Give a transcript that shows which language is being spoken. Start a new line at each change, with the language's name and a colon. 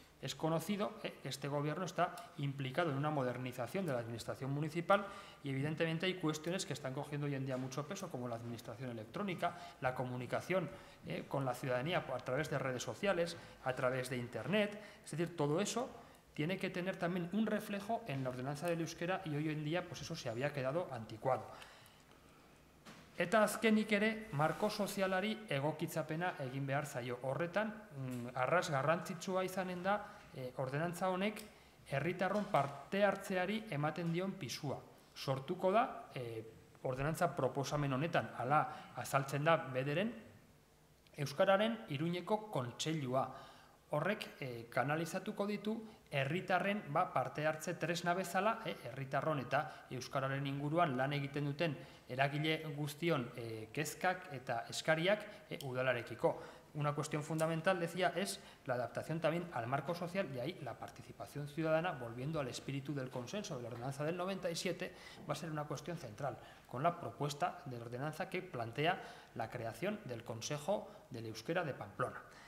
Spanish: Es conocido que este gobierno está implicado en una modernización de la administración municipal y evidentemente hay cuestiones que están cogiendo hoy en día mucho peso, como la administración electrónica, la comunicación con la ciudadanía a través de redes sociales, a través de internet. Es decir, todo eso tiene que tener también un reflejo en la ordenanza del euskera y hoy en día pues eso se había quedado anticuado.
Basque: Eta azkenik ere, marko sozialari egokitzapena egin behar zaio. Horretan, arras garrantzitsua izanen da, ordenantza honek, herritarron parte hartzeari ematen dion pisua. Sortuko da, ordenantza proposamen honetan, ala azaltzen da bederen, Euskararen Iruñeko kontseilua. horrek kanalizatuko ditu herritarren parte hartze tresna bezala, herritarron eta euskararen inguruan lan egiten duten eragile guztion kezkak eta eskariak udalarekiko.
Spanish: Una cuestión fundamental, decía, es la adaptación también al marco social y ahí la participación ciudadana, volviendo al espíritu del consenso de la ordenanza del 97, va a ser una cuestión central, con la propuesta de la ordenanza que plantea la creación del Consejo del Euskera de Pamplona.